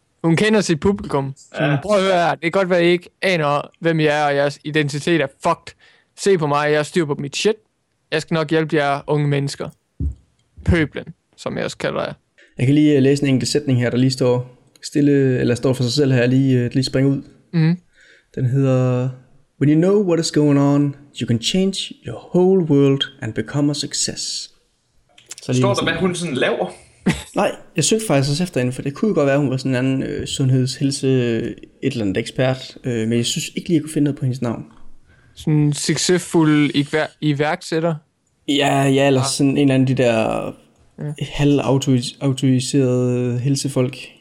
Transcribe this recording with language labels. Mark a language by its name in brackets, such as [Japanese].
[Danish] Hun kender sit publikum. Så hun prøver at høre her. Det kan godt være, at I ikke aner, hvem jeg er, og jeres identitet er fucked. Se på mig, jeg styrer på mit shit. Jeg skal nok hjælpe jer unge mennesker. Pøblen, som jeg også kalder jer. Jeg kan lige læse en enkelt sætning her, der lige står stille, eller står for sig selv her, lige springer ud. Mm. Den hedder... [English] When you know what is going on, you can change your whole world and become a success. [Danish] Så står der, hvad hun sådan laver? Nej, jeg søgte faktisk også efter hende, for det kunne godt være, hun var sådan en anden sundhedshelse, et eller andet ekspert. Men jeg synes ikke lige, jeg kunne finde noget på hendes navn. Sådan en succesfuld iværksætter? Ja, eller sådan en af de der halvautoriserede helsefolk.